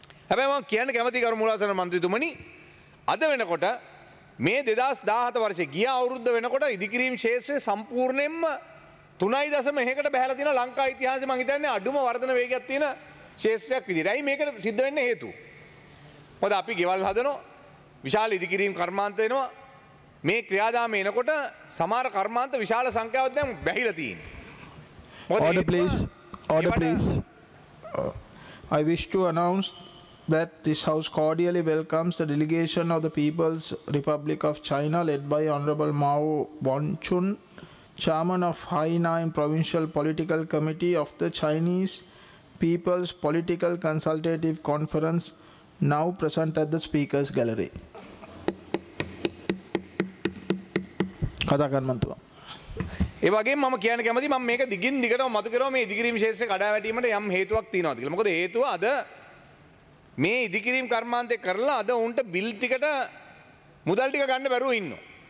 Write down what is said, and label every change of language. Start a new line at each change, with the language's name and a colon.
Sinhala: හැබැයි මම කියන්න කැමති කරු මූලාසන මන්ත්‍රීතුමනි අද වෙනකොට මේ 2017 වර්ෂයේ ගිය අවුරුද්ද වෙනකොට ඉදිකිරීම් ශේෂය සම්පූර්ණයෙන්ම 3.1කට බැහැලා තියෙන ලංකා ඉතිහාසයේ මම හිතන්නේ අඩුම වර්ධන වේගයක් තියෙන ශේෂයක් විදිහට. ඇයි මේක සිද්ධ වෙන්නේ හේතුව? මොකද අපි ගෙවල් හදනවා, විශාල ඉදිකිරීම් කර්මාන්ත එනවා. මේ ක්‍රියාදාම එනකොට සමහර කර්මාන්ත විශාල සංඛ්‍යාවක් දැන් බැහැලා තියෙනවා.
English: Order please. Order please. I wish to announce that this house cordially welcomes the delegation of the People's Republic of China led by Honorable Mao Wanchun, Chairman of Hainan Provincial Political Committee of the Chinese People's Political Consultative Conference, now present at the Speaker's Gallery.
Sinhala: කතා කරන්න මන්තුම. ඒ වගේම මම කියන්න කැමතියි මම මේක දිගින් දිගටම මතු කරව මේ ඉදිකිරීම ශේෂය කඩාවැටීමට යම් හේතුවක් තියනවාද කියලා. මොකද හේතුව අද මේ ඉදිකිරීම කර්මාන්තේ කරලා අද උන්ට බිල් ටිකට මුදල් ටික ගන්න බැරුව ඉන්නවා.